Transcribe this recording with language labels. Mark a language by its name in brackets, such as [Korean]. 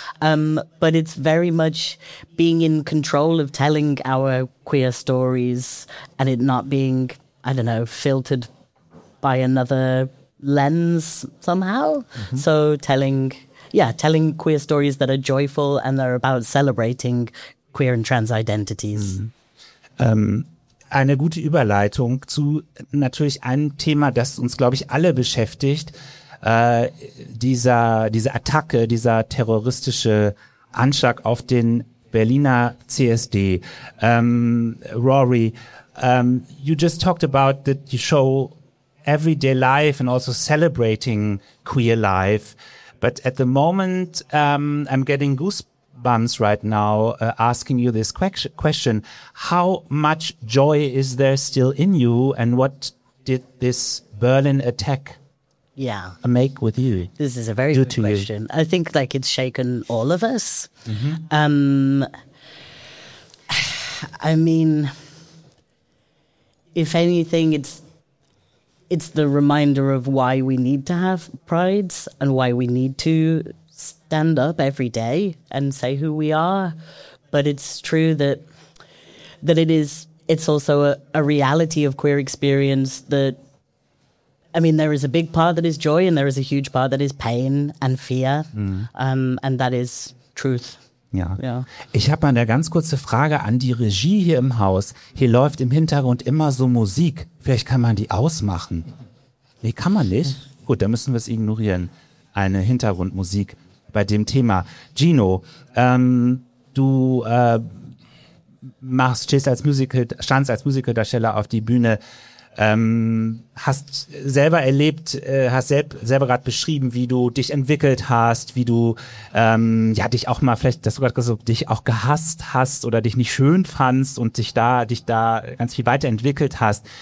[English] But it's very much being in control of telling our queer stories and it not being, I don't know, filtered by another lens somehow. Mm-hmm. So telling queer stories that are joyful and they're about celebrating queer and trans identities. Mm-hmm. [German] Eine gute Überleitung zu natürlich einem Thema, das uns, glaube ich, alle beschäftigt, diese Attacke, dieser terroristische Anschlag auf den Berliner CSD. [English] Rory, you just talked about that you show everyday life and also celebrating queer life, but at the moment I'm getting goosebumps right now asking you this question. How much joy is there still in you, and what did this Berlin attack make with you? This is a very good question. You? I think like it's shaken all of us. Mm-hmm. I mean, if anything, it's the reminder of why we need to have prides and why we need to stand up every day and say who we are. But but it's true that it is. It's also a reality of queer experience that, I mean, there is a big part that is joy and there is a huge part that is pain and fear. Mm. And that is truth. [German] Ja. Ja. Ich habe mal eine ganz kurze Frage an die Regie hier im Haus. Hier läuft im Hintergrund immer so Musik. Vielleicht kann man die ausmachen. Nee, kann man nicht. Gut, dann müssen wir es ignorieren. Eine Hintergrundmusik bei dem Thema. Gino, standst als Musicaldarsteller auf die Bühne, hast selber gerade beschrieben, wie du dich entwickelt hast, wie du dich auch mal vielleicht, dass du gerade gesagt hast, dich auch gehasst hast oder dich nicht schön fandst und dich da ganz viel weiterentwickelt hast.